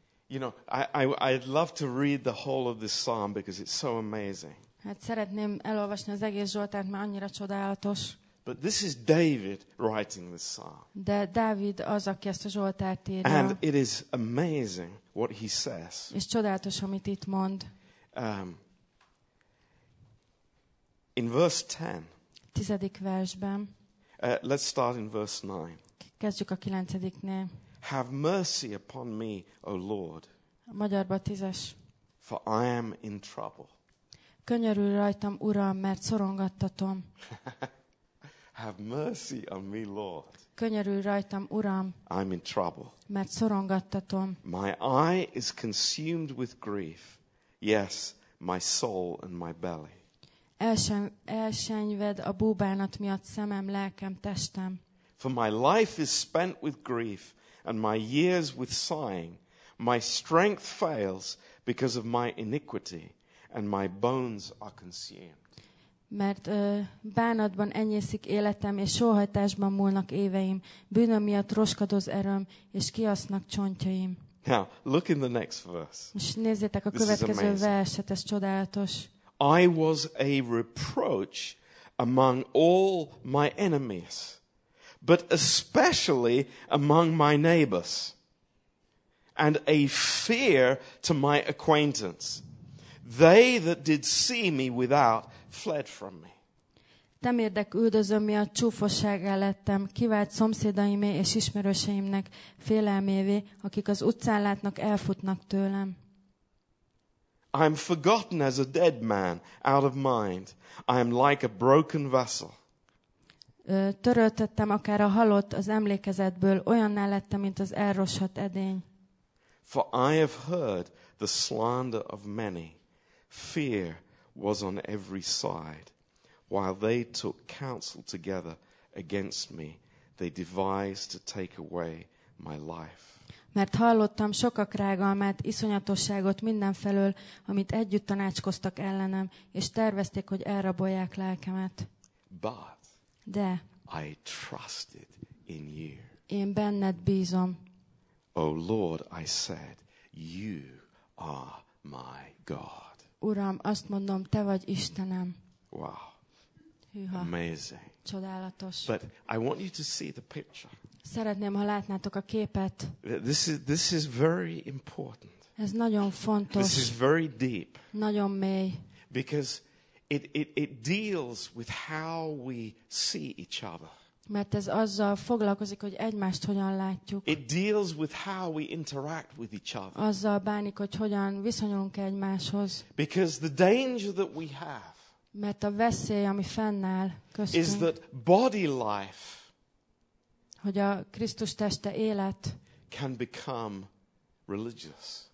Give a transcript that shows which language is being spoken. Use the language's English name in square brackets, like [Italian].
[English] You know, I'd love to read the whole of this psalm because it's so amazing. [Hungarian] Hát szeretném elolvasni az egész Zsoltárt, mert annyira csodálatos. [English] But this is David writing this psalm. [Hungarian] De Dávid az, aki ezt a Zsoltárt írja. [English] And it is amazing what he says. [Hungarian] És csodálatos, amit itt mond. [English] In verse 10. [Hungarian] Tizedik versben. [English] Let's start in verse 9. [Hungarian] Kezdjük a kilencediknél. [English] Have mercy upon me, O Lord. [Hungarian] Magyarba tízes. [English] For I am in trouble. [Hungarian] Könyörülj rajtam, Uram, mert szorongattatom. [English] Have mercy on me, Lord. [Hungarian] Könyörülj rajtam, Uram. [English] I'm in trouble. [Hungarian] Mert szorongattatom. [English] My eye is consumed with grief. Yes, my soul and my belly. [Hungarian] Elsenyved a búbánat miatt szemem, lelkem, testem. [English] For my life is spent with grief and my years with sighing. My strength fails because of my iniquity. And my bones are consumed. [Hungarian] Mert bánatban enyészik életem, és sóhajtásban múlnak éveim. Bűnöm miatt roskadoz erőm, és kiasznak csontjaim. [English] Now, look in the next verse. [Hungarian] Most nézzétek a következő verset, ez csodálatos. [English] I was a reproach among all my enemies, but especially among my neighbors, and a fear to my acquaintance. They that did see me without fled from me. [Hungarian] Temérdek üldözöm miatt csúfossággá lettem, kivált szomszédaimé és ismerőseimnek félelmévé, akik az utcán látnak, elfutnak tőlem. [English] I am forgotten as a dead man, out of mind. I am like a broken vessel. [Hungarian] Töröltöttem akár a halott az emlékezetből, olyanná lettem, mint az elrosshat edény. [English] For I have heard the slander of many. Fear was on every side. While they took counsel together against me, they devised to take away my life. [Hungarian] Mert hallottam sokak rágalmát, iszonyatosságot mindenfelől, amit együtt tanácskoztak ellenem, és tervezték, hogy elrabolják lelkemet. [English] But [Hungarian] de [English] I trusted in you. [Hungarian] Én benned bízom. [English] O Lord, I said, you are my God. [Hungarian] Uram, azt mondom, te vagy Istenem. [English] Wow. [Hungarian] Hűha. [English] Amazing. [Hungarian] Csodálatos. [English] But I want you to see the picture. [Hungarian] Szeretném, ha látnátok a képet. [English] This is very important. [Hungarian] Ez nagyon fontos. [English] This is very deep. [Hungarian] Nagyon mély. [English] Because it deals with how we see each other. [Hungarian] Mert ez azzal foglalkozik, hogy egymást hogyan látjuk. [English] It deals with how we interact with each other. [Hungarian] Azzal bánik, hogy hogyan viszonyulunk egymáshoz. [English] Because the danger that we have. [Hungarian] Mert a veszély, ami fennáll köztünk. [English] Is that body life. [Hungarian] Hogy a Krisztus teste élet. [English] Can become religious.